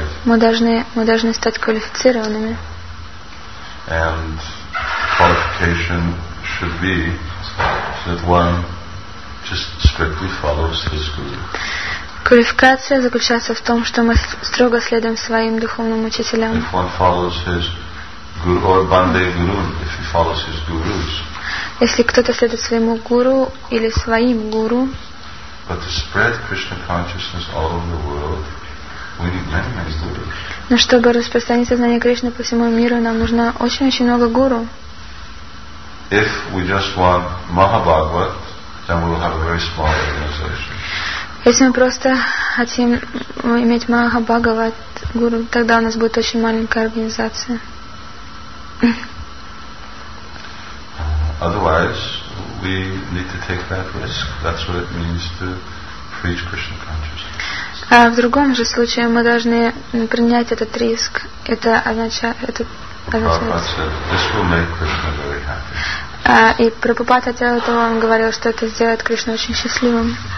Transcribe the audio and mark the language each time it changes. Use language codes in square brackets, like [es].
[ru] Мы должны стать квалифицированными. [en] And qualification should be that one just strictly follows his guru. [ru] Квалификация заключается в том, что мы строго следуем своим духовным учителям. [en] If one follows his guru or Bande guru, if he follows his gurus. [ru] Если кто-то следует своему гуру или своим гуру. [en] But to spread Krishna consciousness all over the world, we need many, many gurus. [ru] Но чтобы распространить сознание Кришны по всему миру, нам нужно очень-очень много гуру. [en] If we just want Mahabhagavat, then we'll have a very small organization. [ru] Если мы просто хотим иметь Махабхагават гуру, тогда у нас будет очень маленькая организация. [en] Otherwise, we need to take that risk. That's what it means to preach Krishna consciousness. [ru] А в другом же случае мы должны принять этот риск. Это означает. [en] This will make Krishna very happy. [ru] И Прабхупада делал то, он говорил, что это сделает Кришну очень счастливым.